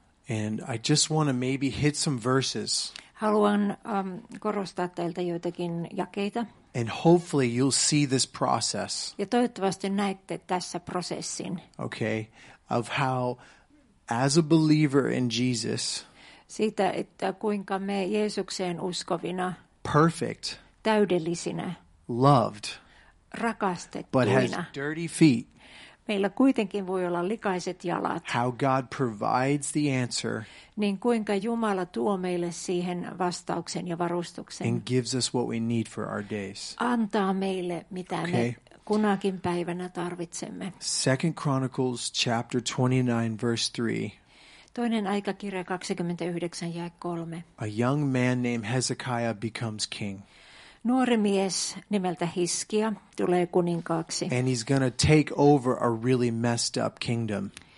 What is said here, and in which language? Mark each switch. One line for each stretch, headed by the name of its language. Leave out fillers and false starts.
English: And I just want to maybe hit some verses.
Finnish: Haluan korostaa teiltä joitakin jakeita.
English: And hopefully you'll see this process.
Finnish: Ja toivottavasti näette tässä prosessin.
English: Okay, of how as a believer in Jesus.
Finnish: Siitä, että kuinka me Jeesukseen uskovina,
English: perfect,
Finnish: täydellisinä,
English: loved,
Finnish: rakastettuina,
English: but has dirty feet,
Finnish: meillä kuitenkin voi olla likaiset jalat,
English: how God provides the answer,
Finnish: niin kuinka Jumala tuo meille siihen vastauksen ja varustuksen,
English: and gives us what we need for our days,
Finnish: antaa meille mitä me kunakin päivänä tarvitsemme.
English: Second Chronicles chapter 29 verse 3.
Finnish: Toinen aikakirja 29 jae 3.
English: A young man named Hezekiah becomes king.
Finnish: Nuori mies nimeltä Hiskia tulee kuninkaaksi.
English: And he's going to take over a really messed up kingdom.